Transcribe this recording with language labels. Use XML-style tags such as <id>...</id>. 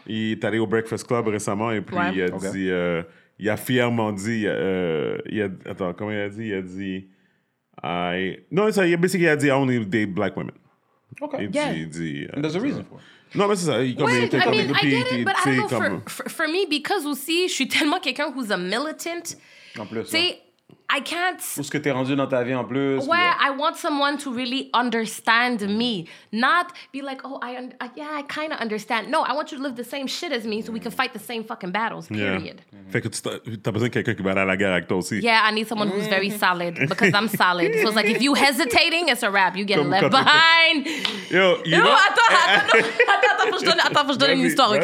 <fr>Il est allé au Breakfast Club récemment et puis il a dit, il a fièrement dit, basically il a dit,</fr> <en>I only date black women. Okay. There's a reason for it.</en> <fr>Non, mais c'est ça.</fr> <en>For me, because</en> <fr>aussi, je suis tellement quelqu'un</fr> <en>who's a militant.</en> <fr>En plus, c'est...</fr> <en>I can't...</en> <fr>Où ce que t'es rendu dans ta vie en plus?</fr> <en>Ouais, I want someone to really understand me. Not be like, oh, I kind of understand. No, I want you to live the same shit as me so we can fight the same fucking battles, period. Yeah. Mm-hmm.</en> <fr>Fait que t'as besoin de quelqu'un qui va aller à la guerre avec toi aussi.</fr> <en>Yeah, I need someone who's very solid because I'm solid. So it's like, if you hesitating, it's a wrap. You get</en> <fr>comme</fr> <en>left behind. Yo, you know...</en> <fr>Attends, faut que je donne une histoire, OK?</fr>